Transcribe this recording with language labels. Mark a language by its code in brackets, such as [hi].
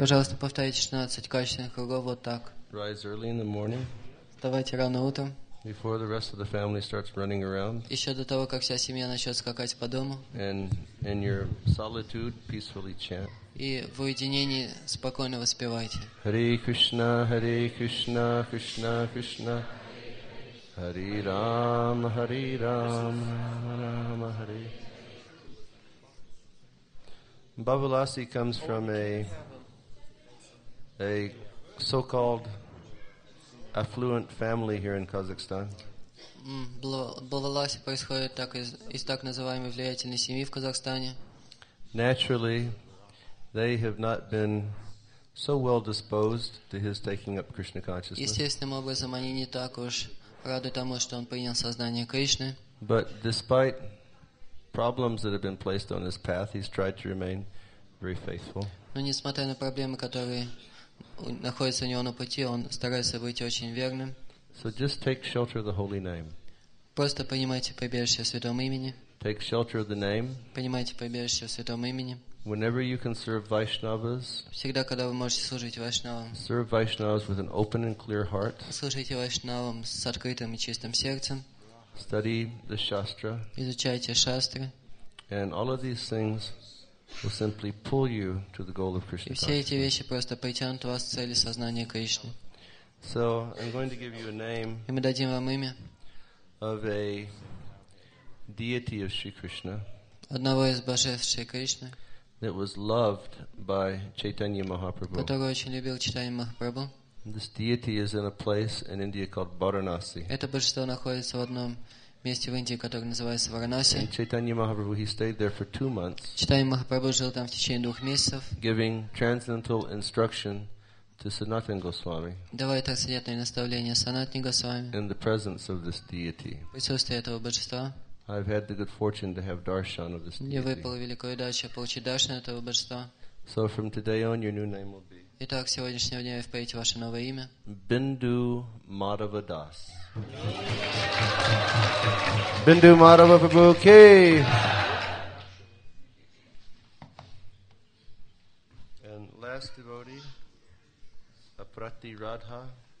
[ru] Пожалуйста, повторите 16 качественных кругов вот так. [en] Rise early in the morning. [ru] Вставайте рано утром. [en] Before the rest of the family starts running around. [ru] Еще до того, как вся семья начнет скакать по дому. [en] And in your solitude, peacefully chant. [ru] И в уединении спокойно воспевайте. [en] Hare Krishna, Hare Krishna, Krishna Krishna. Hare Rama, Hare Rama, Rama Rama Hare. Babulasi comes from a so-called affluent family here in Kazakhstan. [ru] Babulasi происходит так из так называемой влиятельной семьи в Казахстане. [en] Naturally, they have not been so well disposed to his taking up Krishna consciousness. [ru] Естественным образом они не так уж рады тому, что он принял сознание Кришны. [en] But despite problems that have been placed on his path, he's tried to remain very faithful. [ru] Но несмотря на проблемы, которые находятся у него на пути, он старается быть очень верным. [en] So just take shelter of the holy name. [ru] Просто принимайте прибежище в святом имени. [en] Take shelter of the name. [ru] Принимайте прибежище в святом имени. [en] Whenever you can serve Vaishnavas, [ru] всегда когда вы можете служить Вайшнавам, [en] serve Vaishnavas with an open and clear heart. [ru] Служите Вайшнавам с открытым и чистым сердцем. [en] Study the Shastra. [ru] Изучайте Шастры. [en] And all of these things will simply pull you to the goal of Krishna. [ru] И все эти вещи просто притянут вас к цели сознания Кришны. [en] So I'm going to give you a name. [ru] И мы дадим вам имя. [en] Of a deity of Sri Krishna. [ru] Одного из божеств Шри Кришны. [en] That was loved by Chaitanya Mahaprabhu. [ru] Который очень любил Чайтанья Махапрабху. [en] This deity is in a place in India called Varanasi. [ru] Это божество находится в одном месте в Индии, которое называется Варанаси. [en] Chaitanya Mahaprabhu, he stayed there for 2 months. [ru] Чайтанья Махапрабху жил там в течение 2 месяцев. [en] Giving transcendental instruction to Sanatana Goswami. [ru] Давая трансцендентное наставление Санатане Госвами. [en] In the presence of this deity. [ru] В присутствии этого божества. [en] I've had the good fortune to have darshan of this deity. [ru] Я выпал великую удачу получить даршан этого божества. [en] So from today on, your new name will be. [ru] Итак, сегодняшнего дня я впредь ваше новое имя. [en] Bindu Madhava Das. Bindu Madhava Prabhu Ki. And last devotee, Aprati Radha.